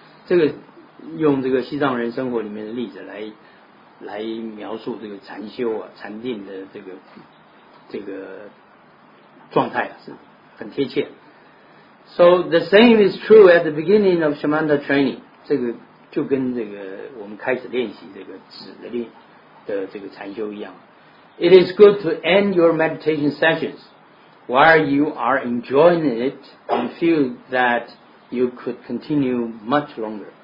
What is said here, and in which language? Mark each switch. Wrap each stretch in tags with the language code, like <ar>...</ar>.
<zh>这个用这个西藏人生活里面的例子来描述这个禅修啊禅定的这个状态啊，是很贴切。</zh> <en>So the same is true at the beginning of Shamatha training.</en> <zh>这个就跟这个我们开始练习这个止的练的这个禅修一样。</zh> <en>It is good to end your meditation sessions while you are enjoying it and feel that you could continue much longer.</en>